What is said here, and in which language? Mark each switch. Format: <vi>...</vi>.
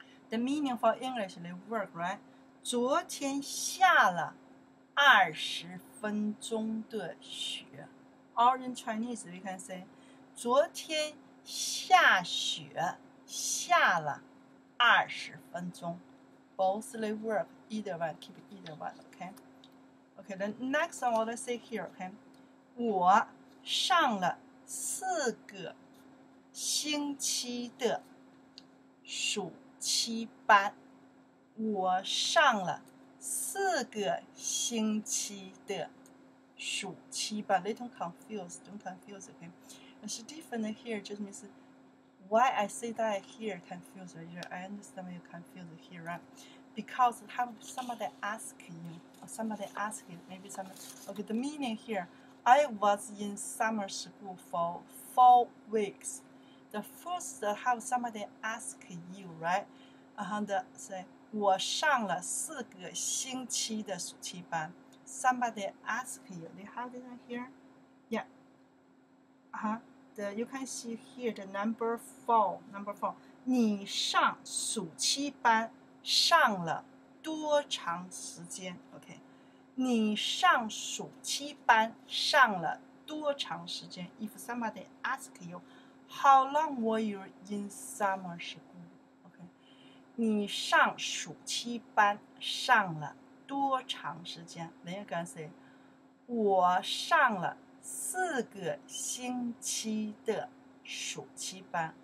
<en>The meaning for English, they work, right?</en> <zh>昨天下了二十分钟的雪</zh> <en>Or in Chinese, we can say</en> <zh>昨天下雪下了二十分钟</zh> <en>Both they work, either one, keep either one, okay? Okay, the next one, what I say here, okay?</en> <zh>我上了四个星期的暑七班，我上了四个星期的暑期班。</zh> <en>Little confused, don't confuse, okay? It's different here, just means why I say that here confused, right? I understand you're confused here, right? Because have somebody asking you, or somebody asking, maybe somebody, okay, the meaning here, I was in summer school for 4 weeks. The first, have somebody ask you, right? And say,</en> <zh>我上了四个星期的暑期班。</zh> <en>Somebody ask you, do you have it here? Yeah. Uh-huh. The, you can see here the number four. Number four.</en> <zh>你上暑期班上了多长时间?</zh> <en>Okay.</en> <zh>你上暑期班上了多长时间?</zh> <en>If somebody ask you, how long were you in summer school?</en> <zh>你上暑期班上了多长时间</zh> <en>Then you can say,</en> <zh>我上了四个星期的暑期班</zh>